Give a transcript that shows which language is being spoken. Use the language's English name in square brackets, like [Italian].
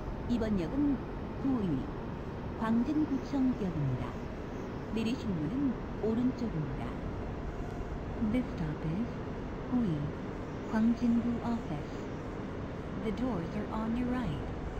[English] This stop is 구의 광진구청역입니다. [Korean] 내리실 문은 오른쪽입니다. [English] This stop is 구의 광진구 office. The doors are on your right.